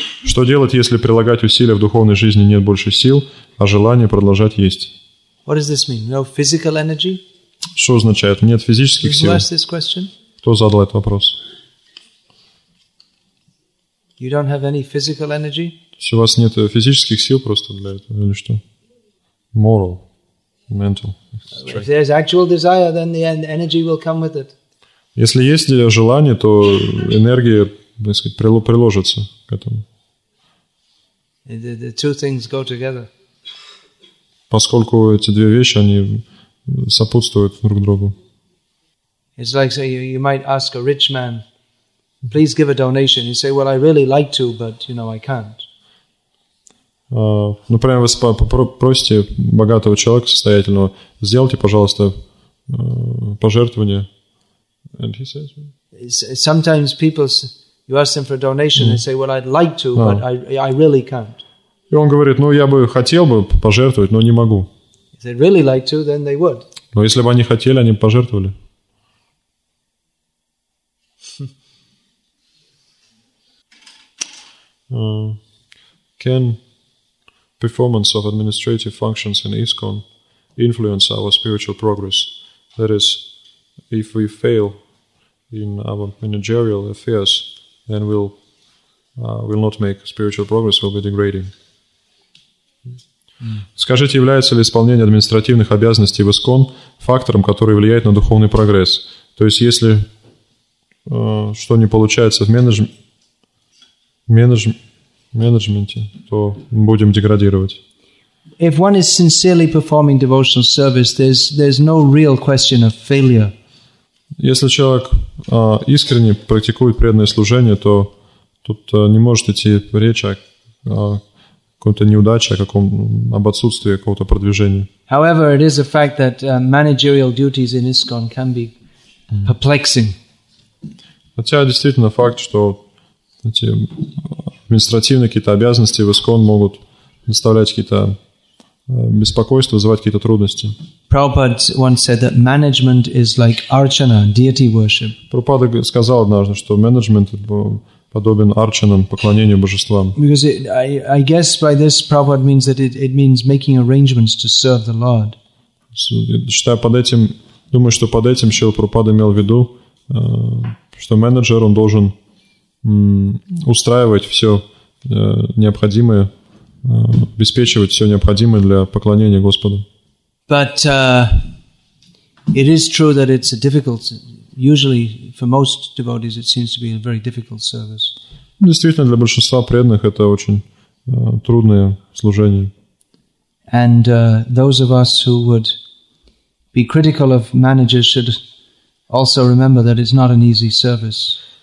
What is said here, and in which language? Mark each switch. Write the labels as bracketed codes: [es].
[ru] Что делать, если прилагать усилия в духовной жизни нет больше сил, а желание продолжать есть? [en] What does this mean? No physical energy? [ru] Что означает? Нет физических сил? [en] Who asked this question? [ru] Кто задал этот вопрос? [en] You don't have any physical energy? [ru] У вас нет физических сил просто для этого или что? [en] Moral, mental. If there's actual desire, then the energy will come with it. [ru] Если есть желание, то энергия приложится к этому. [en] The two things go together. [ru] Поскольку эти две вещи, они сопутствуют друг другу. [en] It's like, say, you might ask a rich man, please give a donation. You say, well, I really like to, but, you know, I can't. [ru] Например, вы просите богатого человека, состоятельного, сделайте, пожалуйста, пожертвование. [en] And he says... Sometimes people... You ask them for a donation, they say, well, I'd like to, but I really can't. [ru] И он говорит, ну, я бы хотел бы пожертвовать, но не могу. [en] If they'd really like to, then they would. [ru] Но если бы они хотели, они бы пожертвовали. [en] Can performance of administrative functions in ISKCON influence our spiritual progress? That is, if we fail in our managerial affairs, then we'll not make spiritual progress, we'll be degrading. [ru] Скажите, является ли исполнение административных обязанностей в ИСКОН фактором, который влияет на духовный прогресс? То есть, если что не получается в менеджменте, то мы будем деградировать. [en] If one is sincerely performing devotional service, there's no real question of failure. [ru] Если человек искренне практикует преданное служение, то тут не может идти речь о какой-то неудаче, об отсутствии какого-то продвижения. [en] However, it is a fact that managerial duties in ISKCON can be perplexing. [ru] Хотя действительно факт, что эти административные какие-то обязанности в ИСКОН могут доставлять какие-то беспокойства, вызывать какие-то трудности. [en] Prabhupada once said that management is like archana, deity worship. [ru] Прабхупада сказал однажды, что менеджмент подобен арчанам, поклонению божествам. [en] Because I guess by this Prabhupada means that it means making arrangements to serve the Lord. [ru] Считаю под этим, думаю, что под этим Шрила Прабхупада имел в виду, что менеджер, он должен устраивать все необходимое, обеспечивать все необходимое для поклонения Господу. [en] But it is true that it's a difficult, usually for most devotees, it seems to be a very difficult service. [ru] Действительно, для большинства преданных это очень трудное служение. [en] And those of us who would be critical of managers should also remember that it's not an easy service.